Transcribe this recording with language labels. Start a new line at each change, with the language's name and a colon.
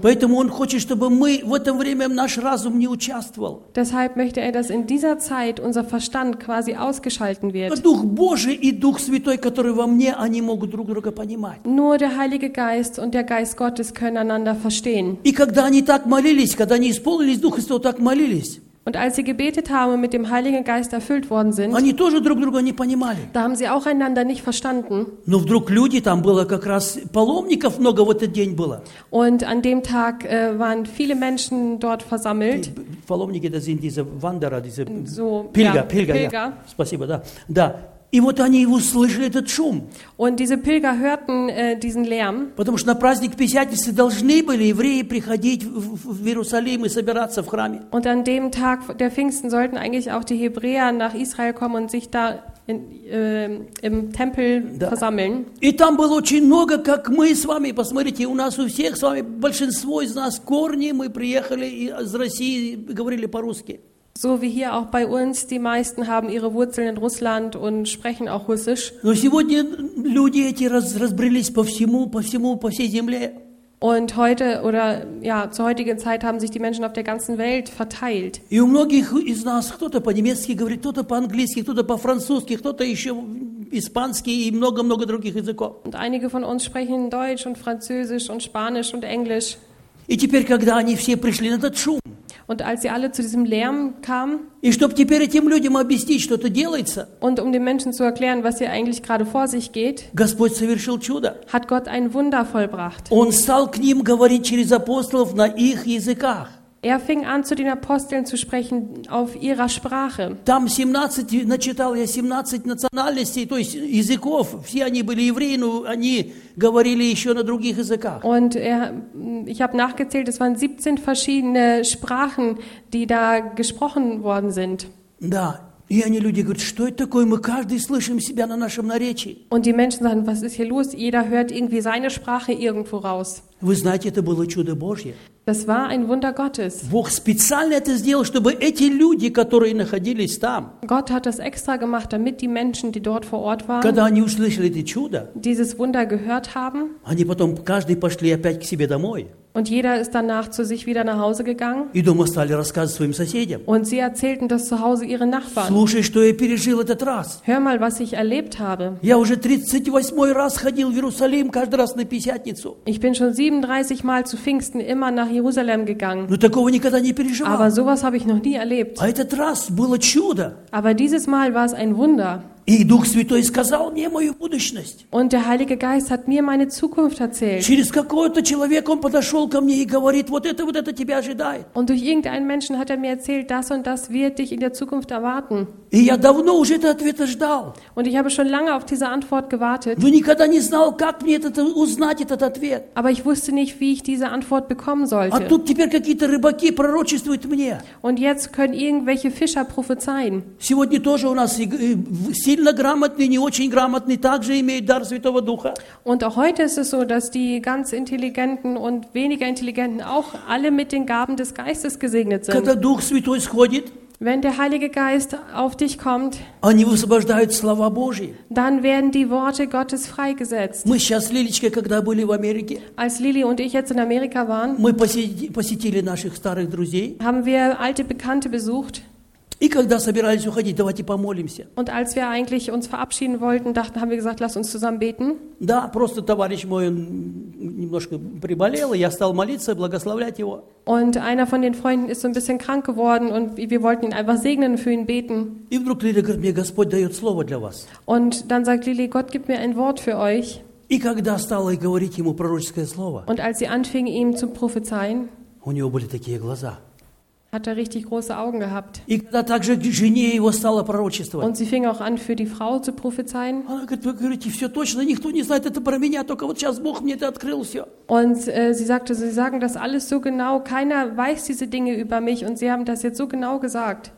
Russian: Хочет,
German: deshalb möchte er, dass in dieser Zeit unser Verstand quasi ausgeschalten wird.
Russian: Дух Божий и Дух Святой которые во мне, они могут друг друга понимать.
German: Nur der Heilige Geist und der Geist Gottes können einander verstehen.
Russian: И когда они так молились, когда они исполнились Духа Святого, так молились.
German: Und als sie gebetet haben und mit dem Heiligen Geist erfüllt worden sind,
Russian: они тоже друг друга не понимали.
German: Da haben sie auch einander nicht verstanden.
Russian: Но вдруг люди, там было как раз паломников много в этот день было.
German: Und an dem Tag waren viele Menschen dort versammelt. Паломники, das sind diese Wanderer, diese so, Pilger, ja, Pilger. Pilger.
Russian: Ja. Спасибо, да. Да. И вот они его слышали этот шум.
German: Und diese Pilger hörten diesen Lärm.
Russian: Потому что на праздник Пятидесятницы должны были евреи приходить в Иерусалим и собираться в храме.
German: Und an dem Tag der Pfingsten sollten eigentlich auch die Hebräer nach Israel kommen und sich da im Tempel да. Versammeln.
Russian: И там было очень много, как мы с вами, посмотрите, у нас у всех с вами большинство из нас корни, мы приехали из России, говорили по-русски.
German: So wie hier auch bei uns, die meisten haben ihre Wurzeln in Russland und sprechen auch Russisch.
Russian: Но сегодня люди эти разбрелись по всей земле.
German: Und heute oder ja, zur heutigen Zeit haben sich die Menschen auf der ganzen Welt verteilt.
Russian: И у многих из нас кто-то по-немецки говорит, кто-то по-английски, кто-то по-французски, кто-то еще испанский и много-много других языков.
German: Und einige von uns sprechen Deutsch und Französisch und Spanisch und Englisch.
Russian: И теперь, когда они все пришли на этот шум,
German: und als sie alle zu diesem Lärm kamen,
Russian: и чтобы теперь этим людям объяснить, что это делается,
German: und um den Menschen zu erklären, was hier eigentlich gerade vor sich geht,
Russian: Господь совершил чудо.
German: Hat Gott ein Wunder vollbracht.
Russian: Он стал к ним говорить через апостолов на их языках.
German: Er fing an, zu den Aposteln zu sprechen auf ihrer Sprache.
Russian: Там 17, начитал я 17 национальностей, то есть языков. Все они были евреи, но они говорили еще на других языках.
German: Und ich habe nachgezählt, es waren 17 verschiedene Sprachen, die da gesprochen worden sind.
Russian: Да. И они люди говорят, что это такое? Мы каждый слышим себя на нашем наречии.
German: Und die Menschen sagen, was ist hier los? Jeder hört irgendwie seine Sprache irgendwo raus.
Russian: Вы знаете, это было чудо Божье.
German: Das war ein Wunder Gottes.
Russian: Бог специально это сделал, чтобы эти люди, которые находились там,
German: Gott hat das extra gemacht, damit die Menschen, die dort vor Ort waren,
Russian: когда они услышали это чудо,
German: dieses Wunder gehört haben,
Russian: они потом каждый пошли опять к себе домой.
German: Und jeder ist danach zu sich wieder nach Hause gegangen.
Russian: И дома стали рассказывать своим соседям.
German: Und sie erzählten das zu Hause ihren Nachbarn.
Russian: Слушай, что я пережил этот раз.
German: Hör mal, was ich erlebt habe.
Russian: Я уже 38-й раз ходил в Иерусалим, каждый раз на Пятницу.
German: Ich bin schon 37 Mal zu Pfingsten immer nach Jerusalem gegangen.
Russian: Но такого никогда не переживал.
German: Aber sowas habe ich noch nie erlebt.
Russian: А этот раз было чудо.
German: Aber dieses Mal war es ein Wunder.
Russian: И Дух Святой сказал мне мою будущность.
German: Und der Heilige Geist hat mir meine Zukunft erzählt.
Russian: Через какого-то человека он подошел ко мне и говорит, вот это тебя ожидает.
German: Und durch irgendeinen Menschen hat mir erzählt, das und das wird dich in der Zukunft erwarten.
Russian: И я давно уже этот ответ ждал.
German: Und ich habe schon lange auf diese Antwort gewartet.
Russian: Но никогда не знал, как мне узнать этот ответ.
German: Aber ich wusste nicht, wie ich diese Antwort bekommen sollte.
Russian: А тут теперь какие-то рыбаки пророчествуют мне.
German: Und jetzt können irgendwelche Fischer prophezeien.
Russian: Сегодня тоже у нас сильно грамотные, не очень грамотные также имеют дар Святого Духа.
German: Und auch heute ist es so, dass die ganz intelligenten und weniger intelligenten auch alle mit den Gaben des Geistes gesegnet sind.
Russian: Когда Дух Святой сходит,
German: wenn der Heilige Geist auf dich kommt,
Russian: они высвобождают слова Божьи.
German: Dann werden die Worte Gottes freigesetzt.
Russian: Мы сейчас с Лилечкой, когда были в Америке,
German: als Lili und ich jetzt in Amerika waren,
Russian: мы посетили наших старых друзей,
German: haben wir alte Bekannte besucht.
Russian: И когда собирались уходить, давайте помолимся.
German: Und als wir eigentlich uns verabschieden wollten, dachten, haben wir gesagt, lass uns zusammen beten.
Russian: Да, просто товарищ мой немножко приболел, и я стал молиться, благословлять его.
German: Und einer von den Freunden ist so ein bisschen krank geworden und wir wollten ihn einfach segnen und für ihn beten.
Russian: И вдруг Лили говорит, мне Господь дает слово для вас.
German: Und dann sagt Lili, Gott gibt mir ein Wort für euch.
Russian: И когда стала говорить ему пророческое слово,
German: und als sie anfing, ihm zu prophezeien,
Russian: у него были такие глаза.
German: Hat er richtig große Augen gehabt.
Russian: И когда также жене его стало пророчествовать.
German: Und sie fing auch an, für die Frau zu prophezeien.
Russian: Она говорит, вы говорите, все точно, никто не знает, это про меня, только вот сейчас Бог мне это открыл все.
German: Und sie sagte, sie sagen das alles so genau, keiner weiß diese Dinge über mich und sie haben das jetzt so genau gesagt.